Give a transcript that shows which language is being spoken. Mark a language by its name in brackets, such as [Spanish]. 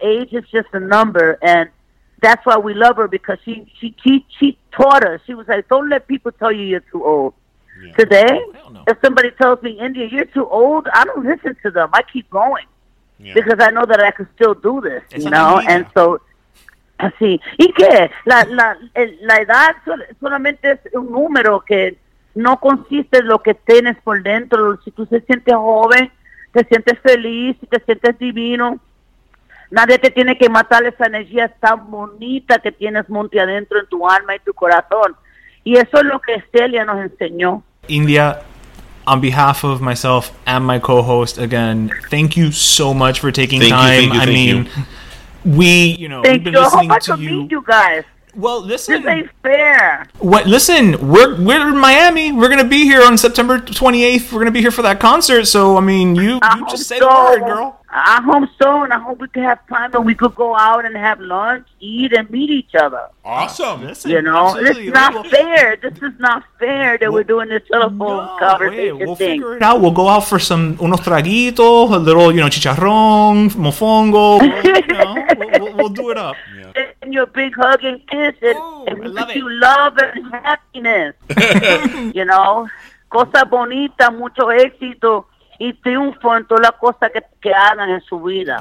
[English] Age is just a number, and that's why we love her, because she taught us. She was like, don't let people tell you you're too old. Yeah. Today, if somebody tells me, India, you're too old, I don't listen to them. I keep going because I know that I can still do this, it's, you know? And so, [Spanish] así. ¿Y qué? La edad solamente es un número que no consiste en lo que tienes por dentro. Si tú se sientes joven, te sientes feliz, si te sientes divino, nadie te tiene que matar esa energía tan bonita que tienes, Monty, adentro en tu alma y tu corazón. Y eso es lo que Celia nos enseñó. [English] India, on behalf of myself and my co-host, again, thank you so much for taking time. Thank you. I hope I could meet you guys. Well, listen. This ain't fair. Listen, we're in Miami. We're going to be here on September 28th. We're going to be here for that concert. So, I mean, you just say the word, girl. I hope so, and I hope we could have time and we could go out and have lunch, eat, and meet each other. Awesome. Listen, you know, it's not fair. This is not fair that we're doing this telephone conversation thing. Figure it out. We'll go out for some [Spanish] unos traguitos, [English] a little, you know, chicharrón, mofongo. We'll do it up. Yeah. And your big hug and kiss, and love and happiness. You know, [Spanish] cosa bonita, mucho éxito. Y triunfo en todas las cosas que hagan en su vida.